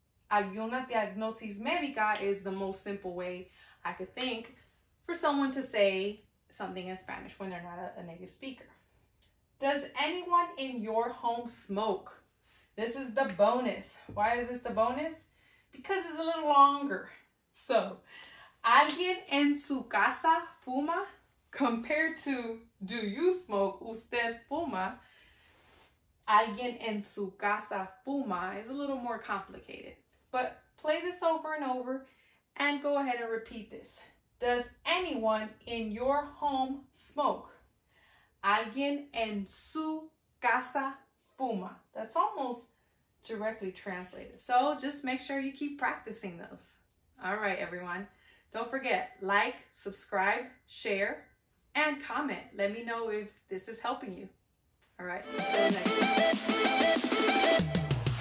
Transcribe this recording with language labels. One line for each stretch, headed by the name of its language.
Spanish: Alguna diagnosis médica
English: is the most simple way I could think for someone to say something in Spanish when they're not a native speaker. Does anyone in your home smoke? This is the bonus. Why is this the bonus? Because it's a little longer.
Spanish: So, ¿alguien en su casa fuma?
English: Compared to,
Spanish: ¿do you smoke? ¿Usted fuma? ¿Alguien en su casa fuma?
English: Is a little more complicated. But play this over and over and go ahead and repeat this. Does anyone in your home smoke?
Spanish: ¿Alguien en su casa fuma?
English: That's almost directly translated. So just make sure you keep practicing those. All right, everyone. Don't forget, like, subscribe, share, and comment. Let me know if this is helping you. All right, until next time.